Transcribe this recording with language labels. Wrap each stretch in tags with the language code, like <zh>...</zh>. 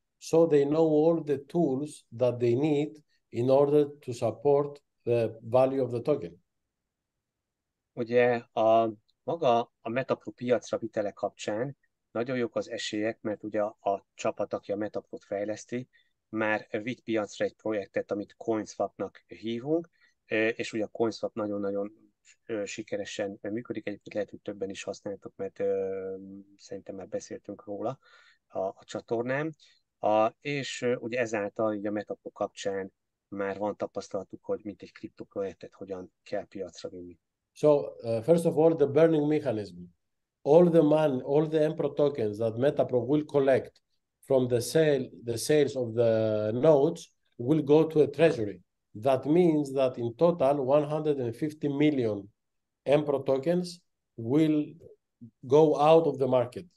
<en>So they know all the tools that they need in order to support the value of the token.</en> <hu>Ugye a maga a Metapro piacra vitele kapcsán nagyon jók az esélyek, mert ugye a csapat, aki a Metapro-t fejleszti, már vitt piacra egy projektet, amit CoinSwap-nak hívunk, és ugye a CoinSwap nagyon-nagyon sikeresen működik, egyébként lehet, hogy többen is használtok, mert szerintem már beszéltünk róla a csatornán. És ugye ezáltal ugye a Metapro kapcsán már van tapasztalatuk, hogy mint egy kriptoprojektet hogyan kell piacra vinni.</hu> <en>So, first of all, the burning mechanism. All the money, all the EMPRO tokens that Metapro will collect from the sales of the nodes will go to a treasury. That means that in total, 150 million EMPRO tokens will go out of the market.</en>